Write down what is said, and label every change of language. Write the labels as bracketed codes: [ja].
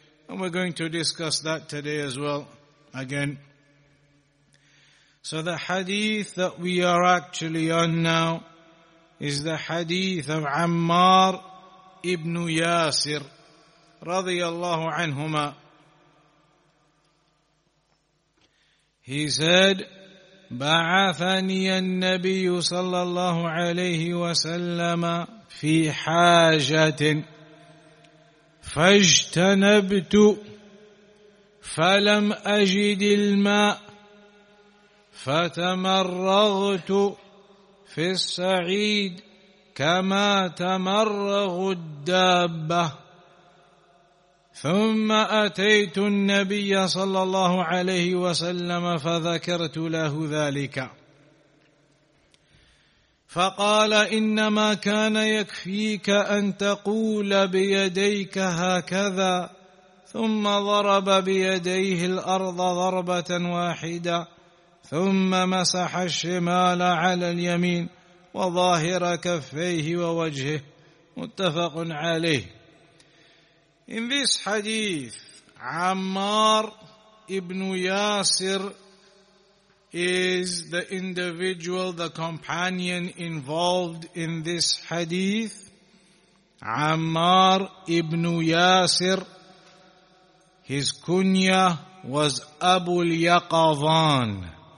[en] And we're going to discuss that today as well, again. So the hadith that we are actually on now is the hadith of Ammar ibn Yasir, radiyallahu anhuma. He said, [ar] بعثني النبي صلى الله عليه وسلم في حاجة فاجتنبت فلم أجد الماء فتمرغت في الصعيد كما تمرغ الدابة ثم أتيت النبي صلى الله عليه وسلم فذكرت له ذلك فقال إنما كان يكفيك أن تقول بيديك هكذا ثم ضرب بيديه الأرض ضربة واحدة ثم مسح الشمال على اليمين وظاهر كفيه ووجهه متفق عليه. [en] In this hadith, Ammar ibn Yasir is the individual, the companion involved in this hadith. Ammar ibn Yasir, his kunya was Abu al-Yaqadhan.